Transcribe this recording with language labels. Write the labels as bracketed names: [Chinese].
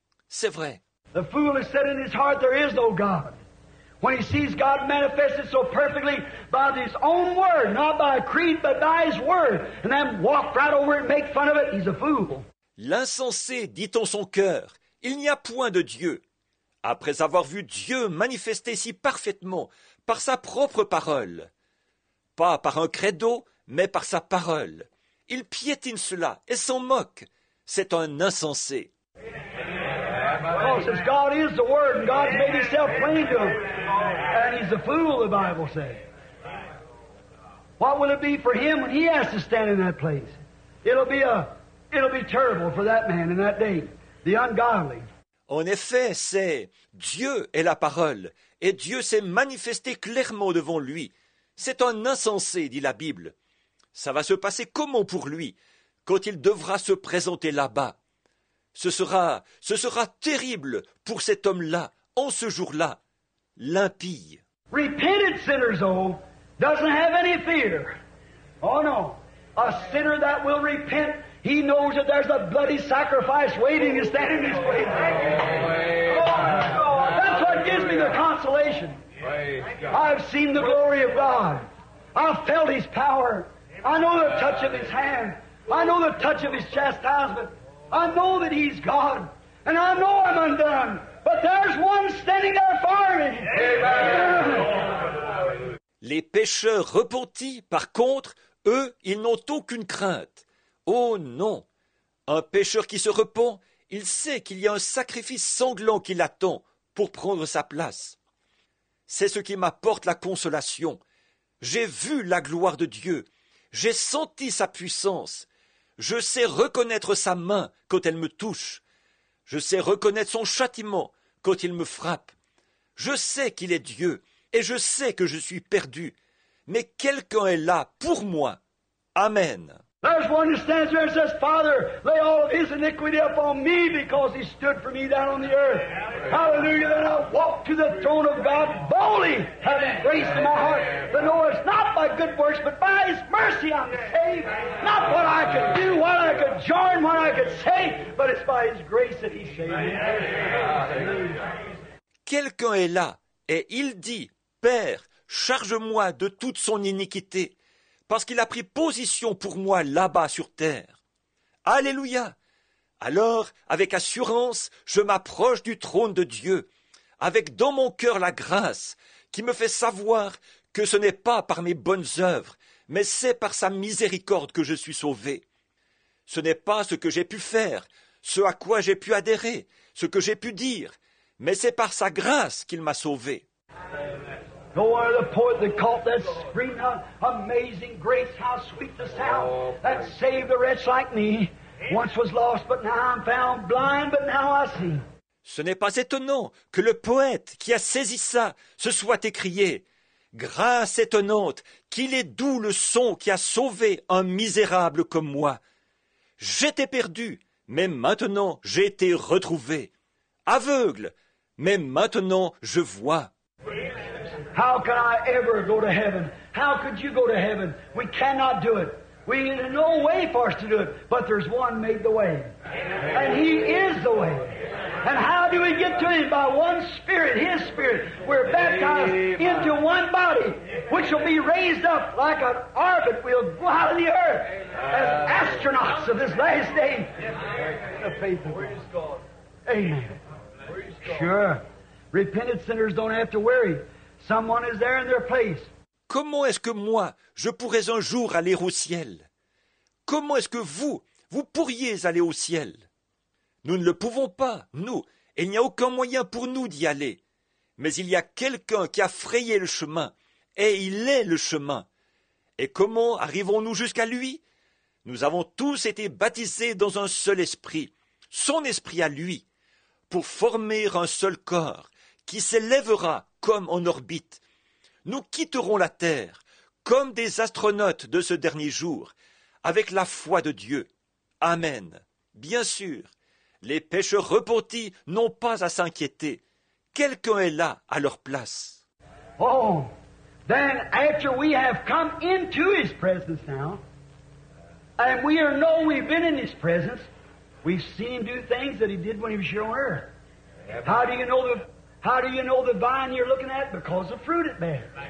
[French] C'est vrai. [English] The fool has said in his heart there is no God. When he sees God manifested so perfectly by his own word, not by a creed, but by his word, and then walk right over it and make fun of it, he's a fool. [French] L'insensé dit en son cœur, il n'y a point de Dieu. Après avoir vu Dieu manifester si parfaitement par sa propre parole, pas par un credo, mais par sa parole, il piétine cela et s'en moque. C'est un insensé. [English] Oh, since God is the Word and God's made Himself plain to him, and he's a fool, the Bible says. What will it be for him when he has to stand in that place? It'll be terrible for that man in that day, the ungodly. [French] En effet, c'est Dieu est la parole, et Dieu s'est manifesté clairement devant lui. C'est un insensé, dit la Bible. Ça va se passer comment pour lui, quand il devra se présenter là-bas? Ce sera terrible pour cet homme-là, en ce jour-là, l'impie. [English] Repentant sinners, oh, doesn't have any fear. Oh no, a sinner that will repent, he knows that there's a bloody sacrifice waiting to stand in his place. Oh, God. That's what gives me the consolation. I've seen the glory of God. I've felt His power. I know the touch of His hand. I know the touch of His chastisement. I know that He's God. And I know I'm undone. But there's one standing there for me. Amen. [French] Les pécheurs repentis, par contre, eux, ils n'ont aucune crainte. Oh non! Un pécheur qui se repent, il sait qu'il y a un sacrifice sanglant qui l'attend pour prendre sa place. C'est ce qui m'apporte la consolation. J'ai vu la gloire de Dieu. J'ai senti sa puissance. Je sais reconnaître sa main quand elle me touche. Je sais reconnaître son châtiment quand il me frappe. Je sais qu'il est Dieu et je sais que je suis perdu. Mais quelqu'un est là pour moi. Amen. [English] There's one who stands there and says, Father, lay all of his iniquity upon me because he stood for me down on the earth. Hallelujah. Then I'll walk to the throne of God boldly, having grace in my heart, to know it's not by good works, but by his mercy I'm saved. Not what I could do, what I could join, what I could say, but it's by his grace that he saved me. [French] Quelqu'un est là, et il dit, Père, charge-moi de toute son iniquité. Parce qu'il a pris position pour moi là-bas sur terre. Alléluia! Alors, avec assurance, je m'approche du trône de Dieu, avec dans mon cœur la grâce qui me fait savoir que ce n'est pas par mes bonnes œuvres, mais c'est par sa miséricorde que je suis sauvé. Ce n'est pas ce que j'ai pu faire, ce à quoi j'ai pu adhérer, ce que j'ai pu dire, mais c'est par sa grâce qu'il m'a sauvé. [English] No wonder the poet that caught that scream, how amazing grace, how sweet the sound that saved a wretch like me. Once was lost, but now I'm found, blind, but now I see. [French] Ce n'est pas étonnant que le poète qui a saisi ça se soit écrié, grâce étonnante, qu'il est doux le son qui a sauvé un misérable comme moi. J'étais perdu, mais maintenant j'ai été retrouvé. Aveugle, mais maintenant je vois. [English] How can I ever go to heaven? How could you go to heaven? We cannot do it. We have no way for us to do it, but there's one made the way. And he is the way. And how do we get to him? By one spirit, his spirit. We're baptized into one body, which will be raised up like an orbit. We'll go out of the earth as astronauts of this last day. The faithful. Where is God? Amen. Sure. Repentant sinners don't have to worry. Someone is there in their place. [French] Comment est-ce que moi, je pourrais un jour aller au ciel? Comment est-ce que vous pourriez aller au ciel? Nous ne le pouvons pas, nous. Il n'y a aucun moyen pour nous d'y aller. Mais il y a quelqu'un qui a frayé le chemin. Et il est le chemin. Et comment arrivons-nous jusqu'à lui? Nous avons tous été baptisés dans un seul esprit. Son esprit à lui. Pour former un seul corps qui s'élèvera comme en orbite. Nous quitterons la Terre comme des astronautes de ce dernier jour, avec la foi de Dieu. Amen. Bien sûr, les pécheurs repentis n'ont pas à s'inquiéter. Quelqu'un est là à leur place. [English] Oh, then after we have come into His presence now, and we know we've been in His presence, we've seen Him do things that He did when He was here on earth. How do you know the... How do you know the vine you're looking at? Because of the fruit it bears.